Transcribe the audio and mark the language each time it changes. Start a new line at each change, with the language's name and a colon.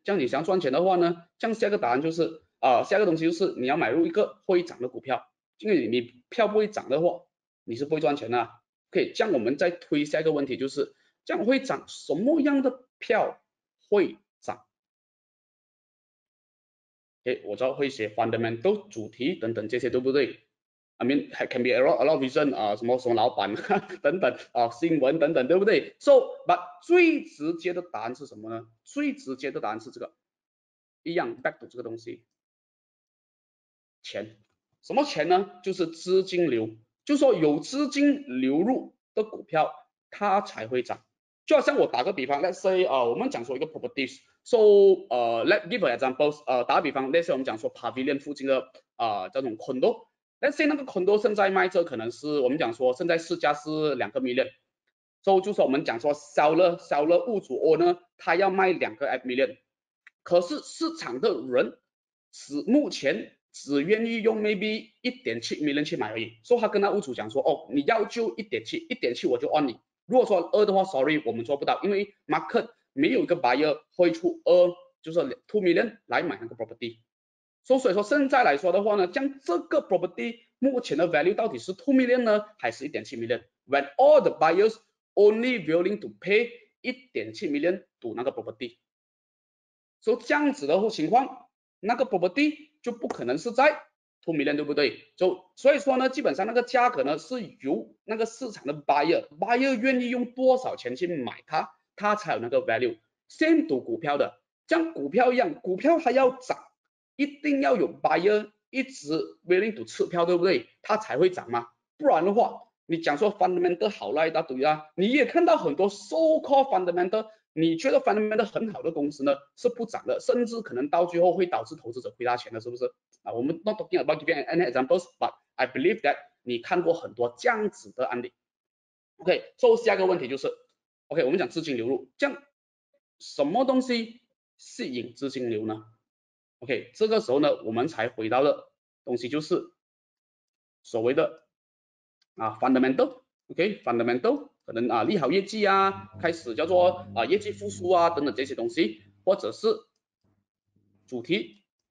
Chinese: 这样你想要赚钱的话呢，这样下一个答案就是下一个东西就是你要买入一个会涨的股票，因为你票不会涨的话，你是不会赚钱的。 OK， 这样我们再推下一个问题，就是这样会涨，什么样的票会涨？ OK， 我知道会写 fundamental 主题等等这些，对不对？
English: I mean, it can be a lot of reason,
Chinese: 什么什么老板等等新闻等等，对不对？
English: So, but
Chinese: 最直接的答案是什么呢？最直接的答案是这个，一样
English: back to
Chinese: 这个东西，钱。什么钱呢？就是资金流，就说有资金流入的股票它才会涨。就好像我打个比方，
English: let's say,
Chinese: 我们讲说一个 properties,
English: so, let's give an example,
Chinese: 打个比方，
English: let's say
Chinese: 我们讲说 pavilion 附近的这种 condo,但是那个 condo 现在卖这可能是我们讲说现在市价是两个 million，所以就是我们讲说销了物主 owner 他要卖两个 million， 可是市场的人只目前只愿意用 maybe 1.7 million 去买而已，所以他跟他物主讲说哦，你要就 1.7 我就 on 你，如果说2的话 sorry 我们做不到，因为 market 没有一个 buyer 会出2就是 2 million 来买那个 property。 So, 所以说现在来说的话呢，将这个 property 目前的 value 到底是 2 million 呢还是 1.7 million?
English: When all the buyers only willing to pay 1.7 million to
Chinese: 那个
English: property.
Chinese: So, 这样子的情况，那个 property 就不可能是在 2 million, 对不对？ So, 所以说呢，基本上那个价格呢是由那个市场的 buyer 愿意用多少钱去买它，它才有那个 value.
English: Same to
Chinese: 股票的，像股票一样，股票它要涨一定要有 buyer 一直
English: willing to
Chinese: 持票，对不对？它才会涨嘛。不然的话，你讲说 fundamental 好赖一大堆啊，你也看到很多
English: so called
Chinese: fundamental， 你觉得 fundamental 很好的公司呢是不涨的，甚至可能到最后会导致投资者亏大钱的，是不是？我们
English: not talking about giving any examples, but I believe that
Chinese: 你看过很多这样子的案例。
English: OK， so
Chinese: 下一个问题就是 ，OK， 我们讲资金流入，这样什么东西吸引资金流呢？ OK， 这个时候呢我们才回到的东西就是所谓的fundamental, OK, fundamental, 可能利好业绩啊，开始叫做业绩复苏啊等等这些东西，或者是主题，